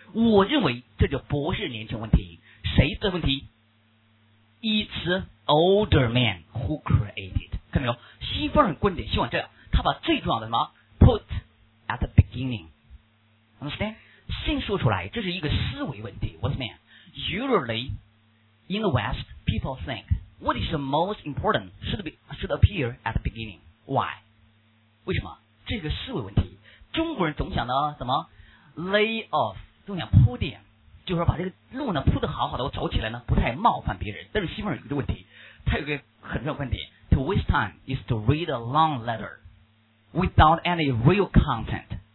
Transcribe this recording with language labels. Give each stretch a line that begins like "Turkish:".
Chinese: 我认为这就不是年轻问题，谁的问题 ？ It's older man who created，看没有？西方的观点希望这样，他把最重要的什么 put at the beginning， understand？先说出来，这是一个思维问题。
English: What's man？ Usually。 In the West, people think what is the most important should appear at the beginning.
Chinese: Why? 为什么？这个思维问题。中国人总想呢，怎么 lay off， 总想铺垫，就是说把这个路呢铺得好好的，我走起来呢不太冒犯别人。
English: 但是西方人有一个问题，他有一个很重要问题 ：To waste time is to read a long letter without any real content.